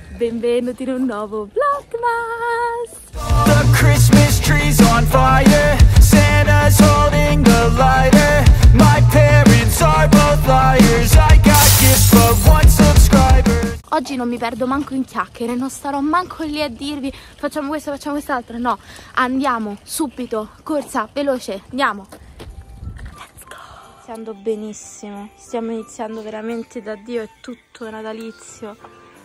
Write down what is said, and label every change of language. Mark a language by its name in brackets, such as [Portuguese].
[Italian] Benvenuti in un nuovo Vlogmas! [English] The Christmas tree's on fire, Santa's holding the lighter, my parents are both liars, I got gifts but one subscriber. [Italian] Oggi non mi perdo manco in chiacchiere, non starò manco lì a dirvi facciamo questo, facciamo quest'altro, no, andiamo subito, corsa, veloce, andiamo! Iniziando benissimo, stiamo iniziando veramente da Dio, è tutto natalizio.